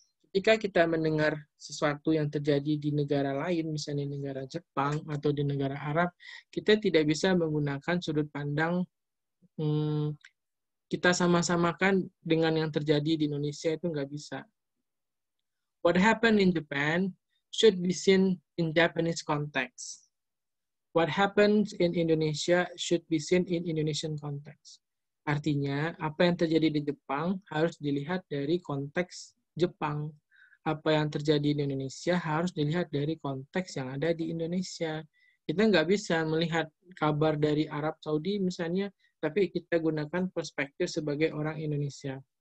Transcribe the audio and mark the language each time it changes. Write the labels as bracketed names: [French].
[Indonesian] Ketika kita mendengar sesuatu yang terjadi di negara lain, misalnya di negara Jepang atau di negara Arab, kita tidak bisa menggunakan sudut pandang kita sama-samakan dengan yang terjadi di Indonesia, itu nggak bisa. [English] What happened in Japan should be seen in Japanese context. What happens in Indonesia should be seen in Indonesian context. [Indonesian] Artinya, apa yang terjadi di Jepang harus dilihat dari konteks Jepang. Apa yang terjadi di Indonesia harus dilihat dari konteks yang ada di Indonesia. Kita nggak bisa melihat kabar dari Arab Saudi misalnya, tapi kita gunakan perspektif sebagai orang Indonesia.